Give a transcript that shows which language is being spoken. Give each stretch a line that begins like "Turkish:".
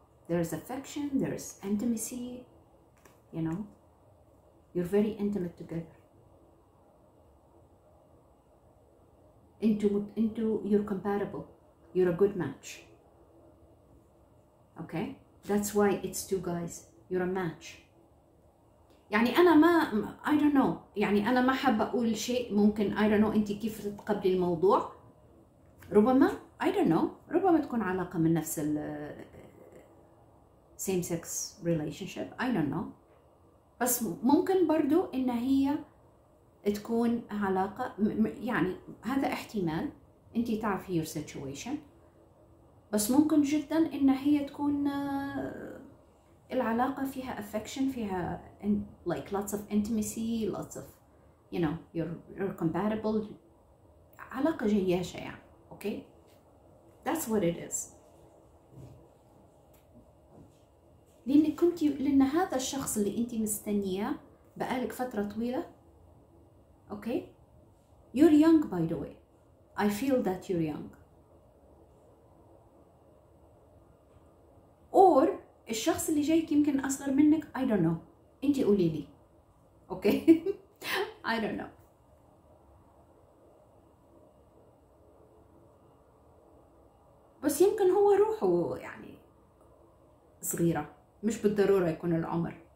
English: There is affection, there is intimacy, you know, you're very intimate together. Into you're compatible, you're a good match. Okay, that's why it's two guys, you're a match.
Arabic: يعني أنا ما
English: I don't know,
Arabic: يعني أنا ما حاب أقول شيء ممكن I don't know أنت كيف تقبلي الموضوع. ربما
English: I don't know,
Arabic: ربما تكون علاقة من نفس ال
English: same sex relationship, I don't know.
Arabic: بس ممكن برضو إن هي تكون علاقة, يعني هذا احتمال, أنت تعرفي
English: your situation.
Arabic: بس ممكن جدا إن هي تكون العلاقة فيها affection, فيها
English: like lots of intimacy, lots of, you know, you're compatible,
Arabic: علاقة جياشة يعني.
English: Okay, that's what it is.
Arabic: لأن هذا الشخص اللي أنت مستنياه بقالك فترة طويلة.
English: Okay, you're young by the way, I feel that you're young.
Arabic: Or الشخص اللي جايك يمكن أصغر منك,
English: I don't know,
Arabic: أنت قولي لي.
English: Okay, I don't know.
Arabic: بس يمكن هو روحه يعني صغيرة, مش بالضرورة يكون العمر.